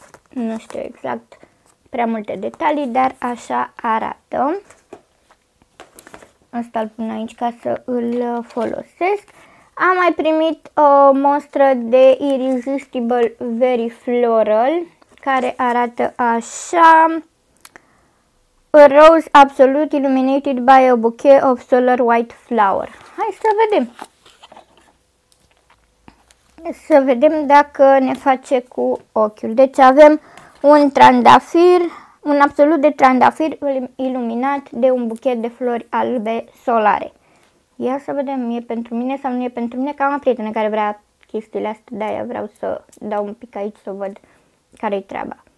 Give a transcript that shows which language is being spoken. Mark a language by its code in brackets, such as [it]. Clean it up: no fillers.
[ro] Nu știu exact prea multe detalii, dar așa arată. Asta îl pun aici ca să îl folosesc. Am mai primit o mostră de Irresistible Very Floral, care arată așa. [en] A rose absolut illuminated by a bouquet of solar white flower. [ro] Hai să vedem. Să vedem dacă ne face cu ochiul. Deci avem un trandafir, un absolut de trandafir iluminat de un buchet de flori albe solare. Ia să vedem, e pentru mine sau nu e pentru mine, că am o prietenă care vrea chestiile astea, de-aia vreau să dau un pic aici să văd care-i treaba.